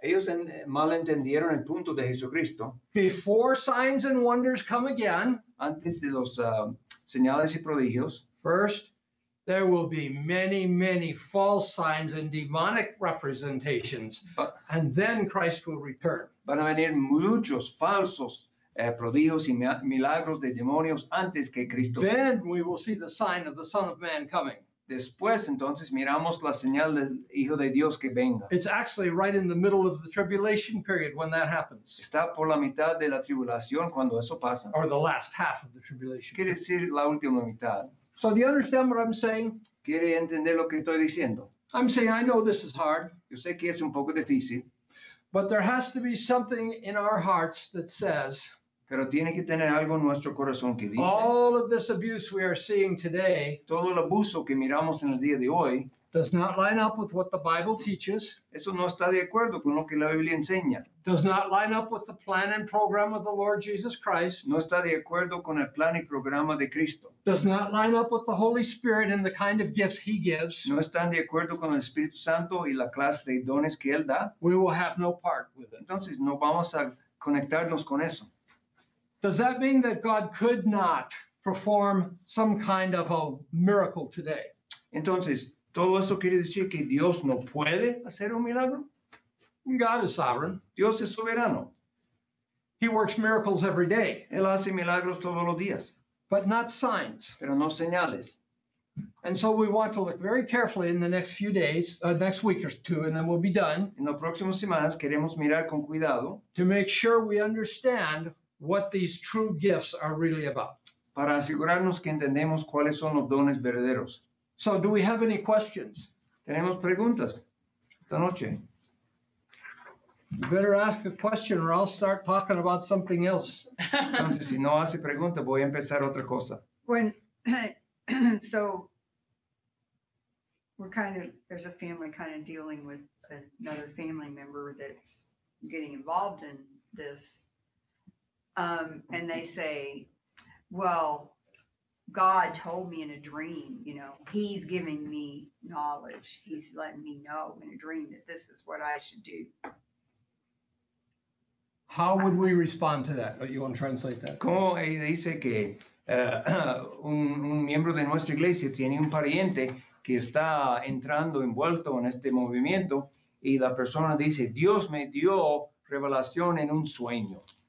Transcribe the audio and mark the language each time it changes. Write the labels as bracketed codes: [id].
[es] Ellos malentendieron el punto de Jesucristo. [en] Before signs and wonders come again, [es] antes de los señales y prodigios, [en] first, there will be many, many false signs and demonic representations, and then Christ will return. [es] Van a venir muchos falsos prodigios y milagros de demonios antes que Cristo. [en] Then we will see the sign of the Son of Man coming. [es] Después, entonces, miramos la señal del Hijo de Dios que venga. [en] It's actually right in the middle of the tribulation period when that happens. [es] Está por la mitad de la tribulación cuando eso pasa. [en] Or the last half of the tribulation. [es] Quiere decir la última mitad. [en] So do you understand what I'm saying? [es] ¿Quiere entender lo que estoy diciendo? [en] I'm saying I know this is hard. [es] Yo sé que es un poco difícil. [en] But there has to be something in our hearts that says, [es] pero tiene que tener algo en nuestro corazón que dice, [en] all of this abuse we are seeing today, [es] todo el abuso que miramos en el día de hoy, [en] does not line up with what the Bible teaches. [es] Eso no está de acuerdo con lo que la Biblia enseña. [en] Does not line up with the plan and program of the Lord Jesus Christ. [es] No está de acuerdo con el plan y programa de Cristo. [en] Does not line up with the Holy Spirit and the kind of gifts he gives. [es] No están de acuerdo con el Espíritu Santo y la clase de dones que él da. [en] We will have no part with it. [es] Entonces no vamos a conectarnos con eso. [en] Does that mean that God could not perform some kind of a miracle today? [es] Entonces, ¿todo eso quiere decir que Dios no puede hacer un milagro? [en] God is sovereign. [es] Dios es soberano. [en] He works miracles every day. [es] Él hace milagros todos los días. [en] But not signs. [es] Pero no señales. [en] And so we want to look very carefully in the next few days, next week or two, and then we'll be done. [es] En las próximas semanas queremos mirar con cuidado. [en] To make sure we understand what these true gifts are really about. [es] Para asegurarnos que entendemos cuáles son los dones verdaderos. [en] So, do we have any questions? [es] Tenemos preguntas esta noche. [en] You better ask a question or I'll start talking about something else. [es] Entonces, si no hace pregunta, voy a empezar otra cosa. [en] When, so, we're kind of, there's a family kind of dealing with another family member that's getting involved in this. And they say, well, God told me in a dream, you know, he's giving me knowledge. He's letting me know in a dream that this is what I should do. How would we respond to that? Or you want to translate that? [es] Como dice que un miembro de nuestra iglesia tiene un pariente que está entrando envuelto en este movimiento y la persona dice, Dios me dio revelación en un sueño.